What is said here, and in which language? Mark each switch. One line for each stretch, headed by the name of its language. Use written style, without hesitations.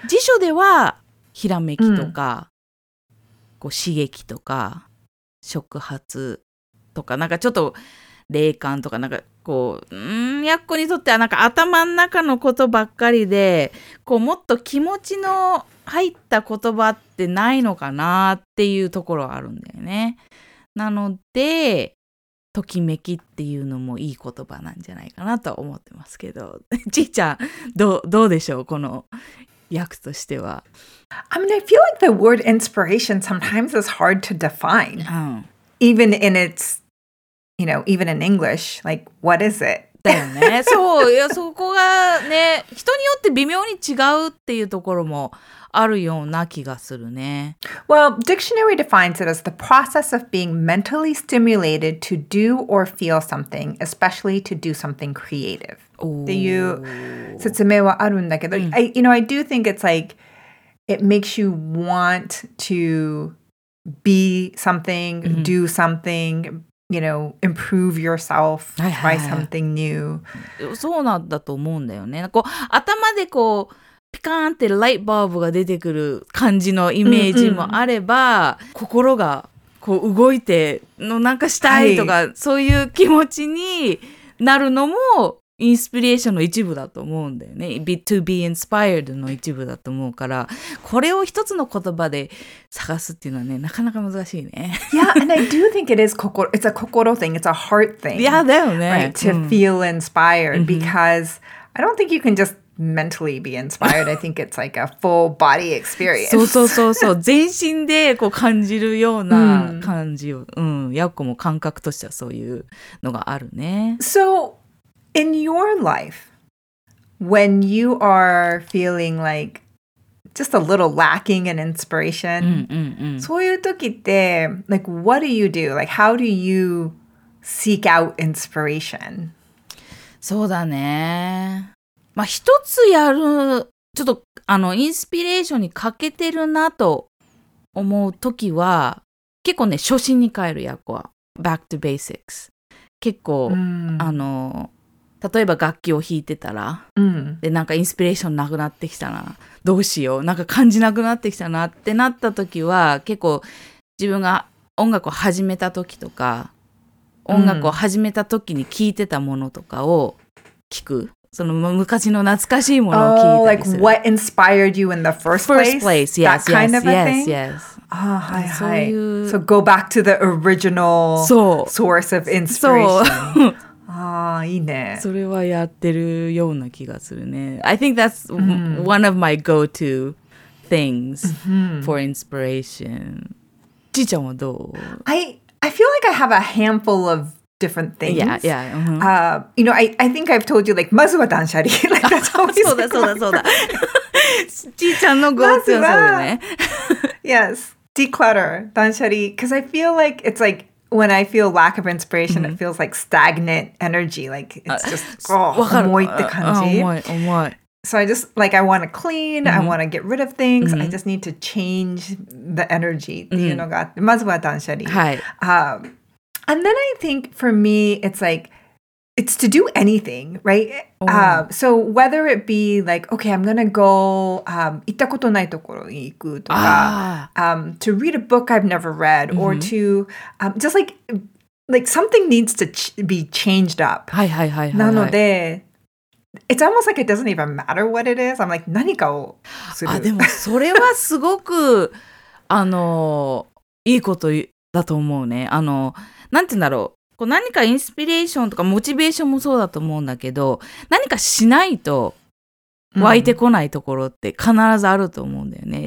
Japanese: 辞書ではひらめきとか、こう刺激とか、触発とか、なんかちょっと霊感とか、なんかこう、ヤッコにとってはなんか頭の中のことばっかりで、こうもっと気持ちの入った言葉ってないのかなっていうところはあるんだよね。なので、ときめきっていうのもいい言葉なんじゃないかなと思ってますけど、ちいちゃん、どうでしょう、この訳としては。
English: I mean, I feel like the word inspiration sometimes is hard to define.、うん、 even in its, you know, even in English, like, what is it?
Japanese: だよね。そう、いや、そこがね、人によって微妙に違うっていうところも、あるような気がするね。
English: Well, dictionary defines it as the process of being mentally stimulated to do or feel something, especially to do something creative.
Japanese: っていう説明はあるんだけど、
English: うん、you know, I do think it's like, it makes you want to be something,、うん、do something, you know, improve yourself, try something new.
Japanese: そうなんだと思うんだよね。こう、頭でこう、ピカーンってライトバルブが出てくる感じのイメージもあれば、うんうん、心がこう動いてのなんかしたいとか、はい、そういう気持ちになるのもインスピレーションの一部だと思うんだよね。
English: be to be inspired
Japanese: の一部だと思うから、これを一つの言葉で探すっていうのはね、なかなか難しいね。
English: Yeah, and I do think it is it's a 心 thing, it's a heart thing.
Japanese: Yeah, だよね。
English: Right, to feel inspired、うん、because I don't think you can justmentally be inspired. I think it's like a full body experience.
Japanese: そうそうそうそう、全身でこう感じるような感じを、うん、ヤコも感覚としてはそういうのがあるね。
English: So, in your life, when you are feeling like just a little lacking in inspiration, うんうん、うん、
Japanese: そういう時って、
English: like, what do you do? Like, how do you seek out inspiration?
Japanese: そうだね。まあ、一つやる、ちょっと、インスピレーションに欠けてるなと思うときは、結構ね、初心に帰る役は。
English: back to basics。
Japanese: 結構、例えば楽器を弾いてたら、うん、で、なんかインスピレーションなくなってきたな。どうしよう。なんか感じなくなってきたなってなったときは、結構、自分が音楽を始めたときとか、音楽を始めたときに聴いてたものとかを聞く。その昔の懐かしいものを聞いたりする。
English: Oh, like what inspired you in the first place, yes, that kind of a thing? Ah, はいはい。 So go back to the original source of inspiration.
Japanese: ah, いいね。それはやってるような気がするね。
English: I think that's one of my go-to things for inspiration.
Japanese: ちいちゃんはどう?
English: I feel like I have a handful of... different things. Yeah, yeah. Mm-hmm. You know, I think I've told you, like,
Japanese: まずは断捨離.
English: Like, that's always
Japanese: そうだそうだそうだ。ちいちゃんのゴーツはそうだね。
English: Yes, declutter, 断捨離. Because I feel like, it's like, when I feel lack of inspiration, it feels like stagnant energy. Like, it's just, oh,
Japanese: 重いって感じ。重い。
English: So I just, like, I want to clean, I want to get rid of things, I just need to change the energy.
Japanese: っていうのがあって、まずは断捨離。はい。
English: And then I think for me, it's like, it's to do anything, right? So whether it be like, okay, I'm going to go,
Japanese: 行ったことないところに行くとか、
English: to read a book I've never read, or to, just like something needs to be changed up.
Japanese: はいはいはいはい。なので、
English: It's almost like it doesn't even matter what it is. I'm like,
Japanese: 何かをする。あ、でもそれはすごく、あの、いいことだと思うね。あの、なんて言うんだろう。こう何かインスピレーションとかモチベーションもそうだと思うんだけど、何かしないと湧いてこないところって必ずあると思うんだよね。